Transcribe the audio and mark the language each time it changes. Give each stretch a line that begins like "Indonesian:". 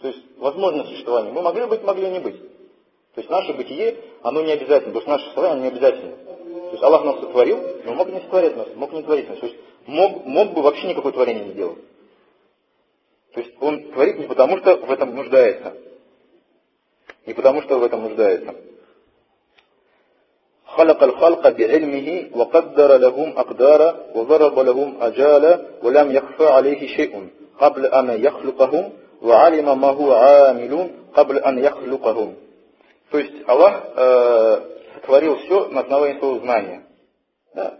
Russian: То есть, возможность существования. Мы могли быть, могли не быть. То есть, наше бытие, оно не обязательно. То есть, наше существование не обязательно. То есть, Аллах нас сотворил, но мог не сотворить нас. Мог не творить нас. То есть, мог бы вообще никакое творение не сделать. То есть, он творит не потому, что в этом нуждается. Не потому, что в этом нуждается.
Arabic: خلق الخلق بعلمه وقدر لهم أقدارا وضرب لهم أجالا ولم يخفى عليه شيء قبل أن يخلقهم وعلم ما هو عاملون قبل أن يخلقهم.
Russian: То есть Аллах сотворил все на основании своего знания. Да?